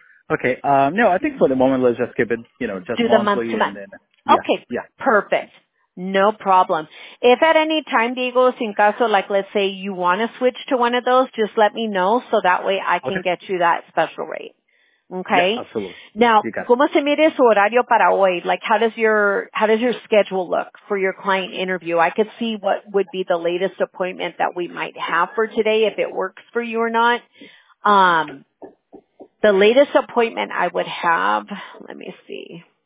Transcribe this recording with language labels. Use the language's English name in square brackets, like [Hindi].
[English] Okay. No, I think for the moment, let's just keep it, you know, just do the month to month. Yeah, okay. Yeah. Perfect. No problem. If at any time, Diego, [Spanish] sin caso, [English] like let's say you want to switch to one of those, just let me know so that way I can get you that special rate. Okay. Yeah, absolutely. [Spanish] Now, ¿cómo se mide su horario para hoy? [English] Like, how does your schedule look for your client interview? I could see what would be the latest appointment that we might have for today, if it works for you or not. The latest appointment I would have, let me see.